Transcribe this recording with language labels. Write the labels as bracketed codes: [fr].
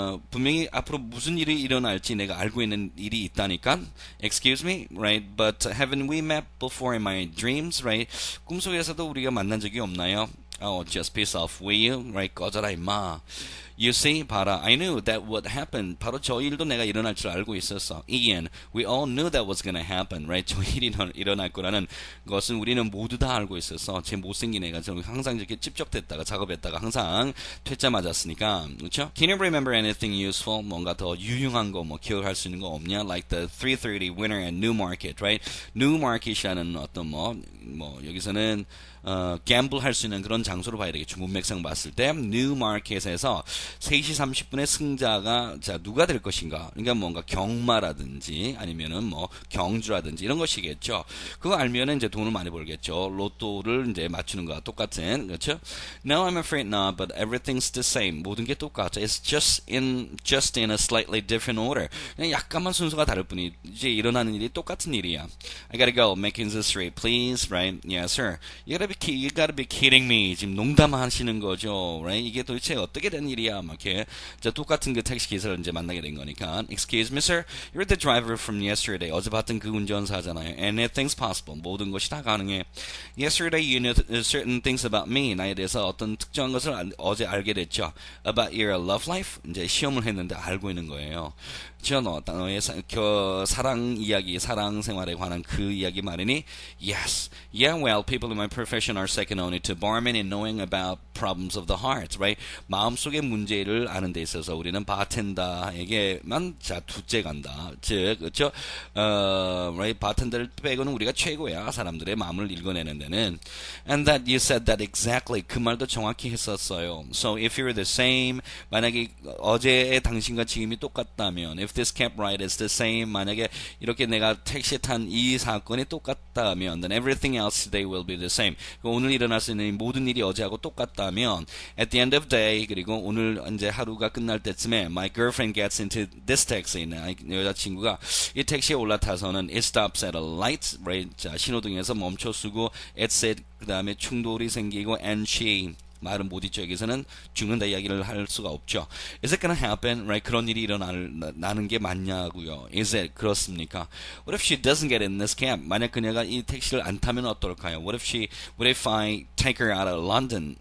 [ko] 분명히 앞으로 무슨 일이 일어날지 내가 알고 있는 일이 있다니까. [en] Excuse me, right? But haven't we met before in my dreams, right? [ko] 꿈속에서도 우리가 만난 적이 없나요? [en] Oh, just piss off, will you? Right, [ko] 꺼져라, 임마. [en] You see, [ko] 봐라. [en] I knew that would happen. [ko] 바로 저 일도 내가 일어날 줄 알고 있었어. [en] Ian, we all knew that was gonna happen, right? [ko] 저 일이 일어날 거라는 것은 우리는 모두 다 알고 있었어. 제 못생긴 애가 저 항상 이렇게 찝쩍댔다가 작업했다가 항상 퇴짜 맞았으니까, 그렇죠? [en] Can you remember anything useful? [ko] 뭔가 더 유용한 거뭐 기억할 수 있는 거 없냐? [en] Like the 330 winner at Newmarket, right? [ko] Newmarket이라는 어떤 뭐 여기서는 gamble 할수 있는 그런 장소로 봐야 되겠죠. 문맥상 봤을 때 Newmarket에서 3시 30분에 승자가 자 누가 될 것인가? 그러니까 뭔가 경마라든지 아니면은 뭐 경주라든지 이런 것이겠죠. 그거 알면은 이제 돈을 많이 벌겠죠. 로또를 이제 맞추는 거와 똑같은, 그렇죠? [en] No, I'm afraid not, but everything's the same. [ko] 모든 게 똑같아. [en] It's just in a slightly different order. [ko] 그냥 약간만 순서가 다를 뿐이지 일어나는 일이 똑같은 일이야. [en] I gotta go. Mackenzie Street, please. Right? Yes, sir. You gotta be kidding me. [ko] 지금 농담하시는 거죠. [en] Right? [ko] 이게 도대체 어떻게 된 일이야? 막 이렇게 똑같은 그 택시 기사를 이제 만나게 된 거니까. [en] Excuse me, sir. You're the driver from yesterday. [ko] 어제 봤던 그 운전사잖아요. [en] Anything's possible. [ko] 모든 것이 다 가능해. [en] Yesterday, you knew certain things about me. [ko] 나에 대해서 어떤 특정한 것을 어제 알게 됐죠. [en] About your love life. [ko] 이제 시험을 했는데 알고 있는 거예요. 저 너의 사랑 이야기, 사랑 생활에 관한 그 이야기 말이니? [en] Yes. Yeah, well, people in my profession are second only to barmen in knowing about problems of the heart, right? [ko] 마음속의 문제를 아는 데 있어서 우리는 바텐더에게만 자 둘째 간다. 즉, 그렇죠? [en] Right? [ko] 바텐더를 빼고는 우리가 최고야. 사람들의 마음을 읽어내는 데는. [en] And that you said that exactly. [ko] 그 말도 정확히 했었어요. [en] So if you're the same, [ko] 만약에 어제의 당신과 지금이 똑같다면, [en] If this cab ride is the same, [ko] 만약에 이렇게 내가 택시 탄이 사건이 똑같다면, [en] then everything else today will be the same. [ko] 오늘 일어날 수 있는 모든 일이 어제하고 똑같다면, [en] at the end of day, [ko] 그리고 오늘 이제 하루가 끝날 때쯤에, [en] my girlfriend gets into this taxi. [ko] 여자친구가 이 택시에 올라타서는 [en] it stops at a light, right? [ko] 자, 신호등에서 멈춰 서고, exit, 그 다음에 충돌이 생기고, [en] and she. [ko] 말은 못 잊죠. 여기서는 죽는다 이야기를 할 수가 없죠. [en] Is it gonna happen? Right? [ko] 그런 일이 일어나는 게 맞냐고요. [en] Is it? [ko] 그렇습니까? [en] What if she doesn't get in this cab? [ko] 만약 그녀가 이 택시를 안 타면 어떨까요? [en] What if I take her out of London?